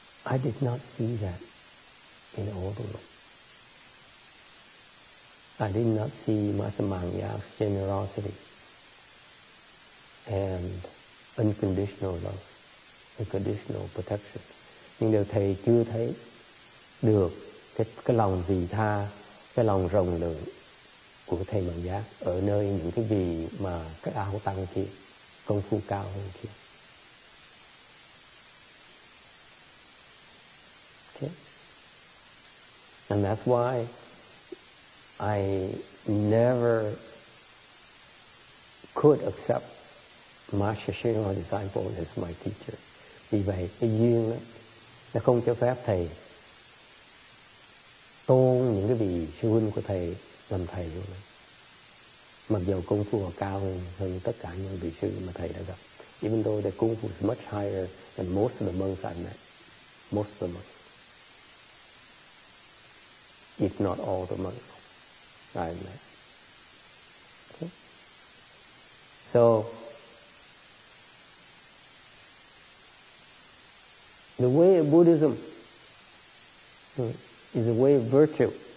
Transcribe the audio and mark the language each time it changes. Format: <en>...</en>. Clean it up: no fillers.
<en>And I did not see that in all the world. I did not see Master Mẫn Giác's generosity and unconditional love, unconditional protection.</en> <vi>Nhưng điều thầy chưa thấy được cái lòng vị tha, cái lòng rộng lượng của thầy Mẫn Giác ở nơi những cái vị mà cái áo tăng kia, công phu cao hơn kia.</vi> <en>Okay. And that's why I never could accept Master Shenghua disciple as my teacher.</en> <vi>Vì vậy, cái duyên đó, nó không cho phép thầy tôn những cái vị sư huynh của thầy làm thầy luôn. Mặc dù công phu họ cao hơn tất cả những vị sư mà thầy đã gặp.</vi> <en>Even though the kung fu is much higher than most of the monks I met. Most of the monks. If not all the monks I met. Okay. So, the way of Buddhism is a way of virtue.</en>